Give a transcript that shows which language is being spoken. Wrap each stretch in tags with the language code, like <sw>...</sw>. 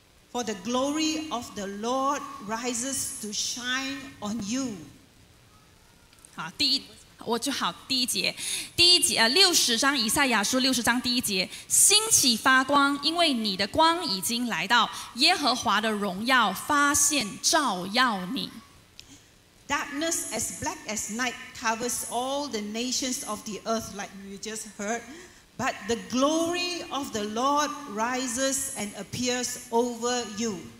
<en>For the glory of the Lord rises to shine on you."</en> <zh>好，第一，我就好，第一节，第一节，六十章以赛亚书六十章第一节，兴起发光，因为你的光已经来到，耶和华的荣耀发现照耀你。</zh> <en>Darkness as black as night covers all the nations of the earth, like you just heard. But the glory of the Lord rises and appears over you.</en>